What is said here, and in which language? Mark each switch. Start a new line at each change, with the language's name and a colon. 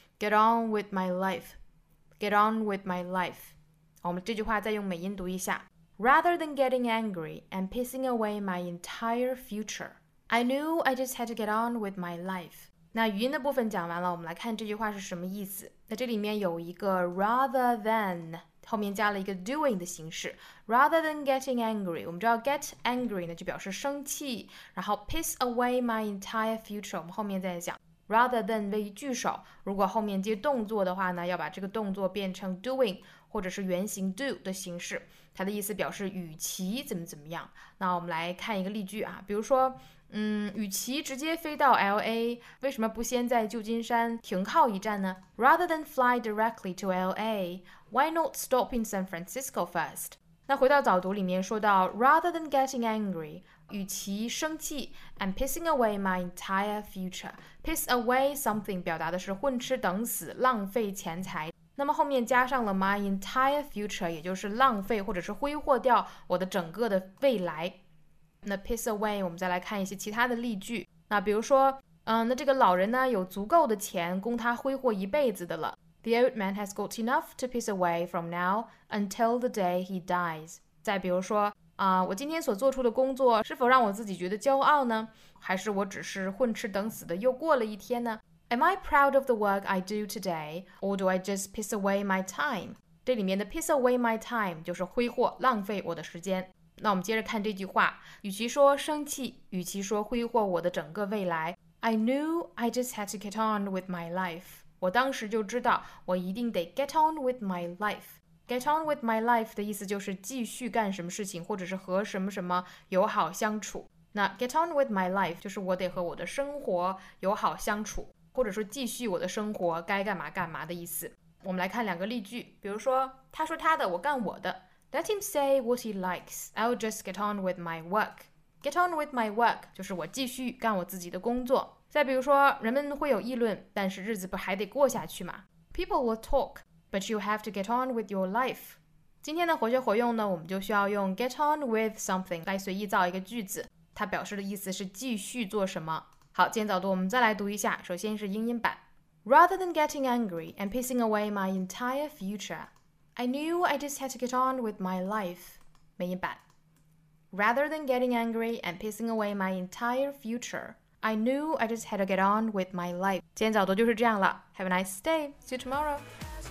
English: Get on with my life, get on with my life.
Chinese: 我们这句话再用美音读一下。
English: Rather than getting angry and pissing away my entire future, I knew I just had to get on with my life.
Chinese: 那语音的部分讲完了，我们来看这句话是什么意思。那这里面有一个 rather than, 后面加了一个 doing 的形式。
English: Rather than getting angry,
Chinese: 我们知道 get angry 呢就表示生气，然后
English: piss away my entire future,
Chinese: 我们后面再讲。 Rather than 为句首，如果后面接动作的话呢，要把这个动作变成 doing,或者是原型 do 的形式，它的意思表示与其怎么怎么样。那我们来看一个例句啊，比如说与其直接飞到 LA, 为什么不先在旧金山停靠一站呢？
English: Rather than fly directly to LA, why not stop in San Francisco first?
Chinese: 那回到早读里面说到
English: Rather than getting angry,
Chinese: 与其生气
English: and pissing away my entire future. Piss away something
Chinese: 表达的是混吃等死，浪费钱财，那么后面加上了
English: my entire future,
Chinese: 也就是浪费或者是挥霍掉我的整个的未来。那 piss away, 我们再来看一些其他的例句。那比如说那这个老人呢有足够的钱供他挥霍一辈子的了。
English: The old man has got enough to piss away from now until the day he dies.
Chinese: 再比如说我今天所做出的工作是否让我自己觉得骄傲呢？还是我只是混吃等死的又过了一天呢？
English: Am I proud of the work I do today, or do I just piss away my time?
Chinese: 这里面的
English: piss away my time
Chinese: 就是挥霍、浪费我的时间。那我们接着看这句话，与其说生气，与其说挥霍我的整个未来，
English: I knew I just had to get on with my life.
Chinese: 我当时就知道，我一定得
English: get on with my life. Get on with my life
Chinese: 的意思就是继续干什么事情，或者是和什么什么友好相处。那
English: get on with my life
Chinese: 就是我得和我的生活友好相处，或者说继续我的生活该干嘛干嘛的意思。我们来看两个例句，比如说他说他的，我干我的。
English: Let him say what he likes, I'll just get on with my work. Get on with my work
Chinese: 就是我继续干我自己的工作。再比如说人们会有议论，但是日子不还得过下去吗？
English: People will talk, but you have to get on with your life.
Chinese: 今天的活学活用呢，我们就需要用 get on with something 来随意造一个句子，它表示的意思是继续做什么。好，今天早读我们再来读一下，首先是英音版。
English: Rather than getting angry and pissing away my entire future, I knew I just had to get on with my life.
Chinese: 美音版。
English: Rather than getting angry and pissing away my entire future, I knew I just had to get on with my life.
Chinese: 今天早读就是这样了。
English: Have a nice day. See you tomorrow.